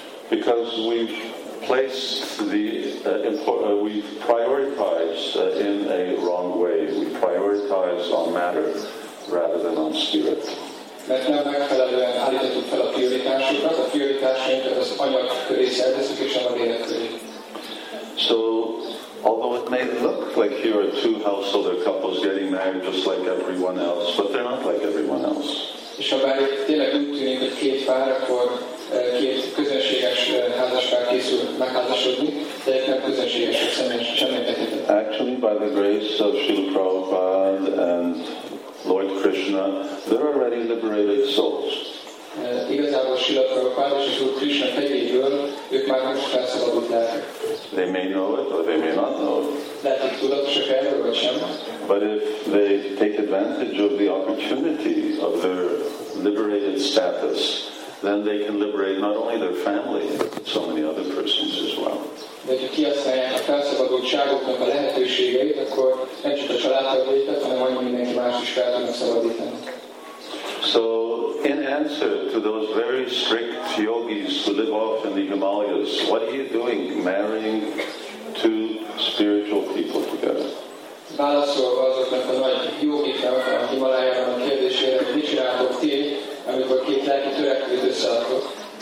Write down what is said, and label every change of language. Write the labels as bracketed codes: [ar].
[en] Because we've placed the we've prioritized in a wrong way. We prioritize on matter rather than on spirit. [hu] Mert nem megfelelően állítottuk fel a prioritásunkat, a prioritásunkat az anyag köré szerveztük és nem a lélek köré. [en] So, although it may look like here are two householder couples getting married just like everyone else, but they're not like everyone else. [hu] És ha bár tényleg úgy tűnik, hogy két pár, akkor két közönséges házaspár készül megházasodni, de ők nem közönségesek személyesek. [en] Actually, by the grace of Srila Prabhupada and Lord Krishna, they're already liberated souls. They may know it or they may not know it. But if they take advantage of the opportunity of their liberated status, then they can liberate not only their family, but so many other persons as well. [hu] De ha kihasználják a felszabadultságoknak a lehetőségeit, akkor nem csak a családtagjaikat, hanem majd mindenki más is fel tudnak szabadítani. [en] So, in answer to those very strict yogis who live off in the Himalayas, what are you doing marrying two spiritual people together? [hu] Válaszolva azoknak a nagy yogiknak a Himalájában a kérdésére, hogy mit csináltok ti, amikor két lelki törekvőt összeadtok?